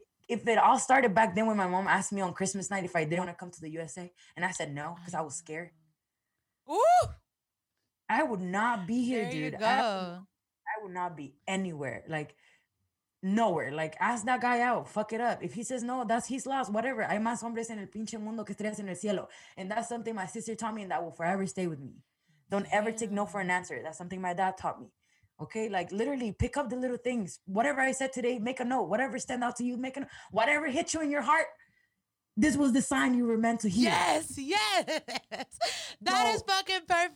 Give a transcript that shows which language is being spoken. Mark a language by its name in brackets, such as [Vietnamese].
[English] If it all started back then when my mom asked me on Christmas night if I didn't want to come to the USA and I said no because I was scared. Ooh. I would not be here, there dude. I would not be anywhere. Like, nowhere. Like, ask that guy out. Fuck it up. If he says no, that's his loss. Whatever. [Spanish] Hay más hombres en el pinche mundo que estrellas en el cielo. [English] And that's something my sister taught me, and that will forever stay with me. Don't ever take no for an answer. That's something my dad taught me. Okay? Like, literally, pick up the little things. Whatever I said today, make a note. Whatever stand out to you, make a note. Whatever hit you in your heart. This was the sign you were meant to hear. Yes, yes. That is fucking perfect.